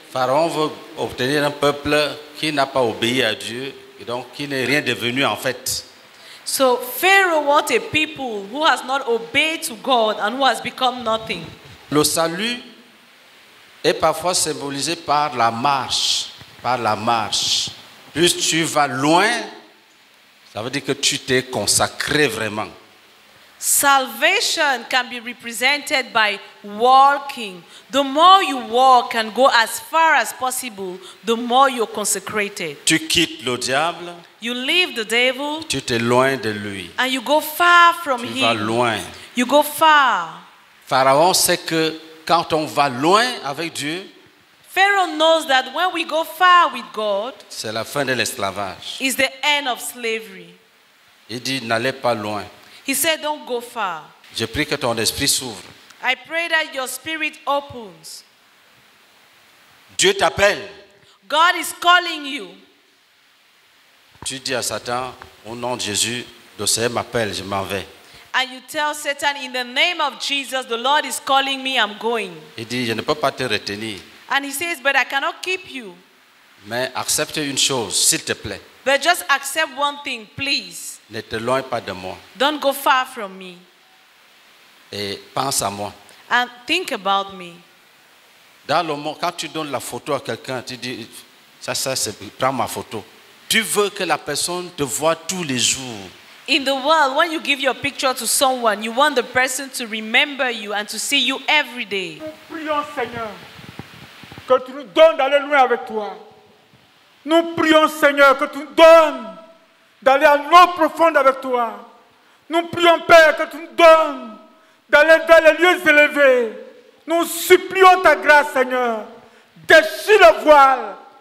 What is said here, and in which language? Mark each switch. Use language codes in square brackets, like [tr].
[fr] Pharaon veut obtenir un peuple qui n'a pas obéi à Dieu et donc qui n'est rien devenu en fait. [en] So Pharaoh wants a people who has not obeyed to God and who has become nothing. [fr] Le salut est parfois symbolisé par la marche, par la marche. Plus tu vas loin, ça veut dire que tu t'es consacré vraiment. [en] Salvation can be represented by walking. The more you walk and go as far as possible, the more you're consecrated. [fr] Tu quittes le diable. [en] You leave the devil. [fr] Tu t'es loin de lui. [en] And you go far from [fr] tu [en] him. [fr] Vas loin. [en] You go far. [fr] Pharaon sait que quand on va loin avec Dieu, [en] Pharaoh knows that when we go far with God, [fr] c'est la fin de l'esclavage. [en] It's the end of slavery. [fr] Il dit n'allez pas loin. [en] He said, don't go far. [fr] Je prie que ton esprit s'ouvre. [en] I pray that your spirit opens. [fr] Dieu t'appelle. [en] God is calling you. [fr] Tu dis à Satan, au nom de Jésus, le Seigneur m'appelle, je m'en vais. [en] And you tell Satan, in the name of Jesus, the Lord is calling me, I'm going. [fr] Il dit, je ne peux pas te retenir. [en] And he says, but I cannot keep you. [fr] Mais accepte une chose, s'il te plaît. [en] But just accept one thing, please. [fr] Ne te loin pas de moi. [en] Don't go far from me. [fr] Et pense à moi. [en] And think about me. [fr] Dans le monde, quand tu donnes la photo à quelqu'un, tu dis, ça c'est, prends ma photo. Tu veux que la personne te voit tous les jours. [en] In the world, when you give your picture to someone, you want the person to remember you and to see you every day. [fr] Nous prions, Seigneur, que tu nous donnes d'aller loin avec toi. Nous prions, Seigneur, que tu nous donnes d'aller à l'eau profonde avec toi. Nous prions, Père, que tu nous donnes d'aller vers les lieux élevés. Nous supplions ta grâce, Seigneur. Déchire le voile.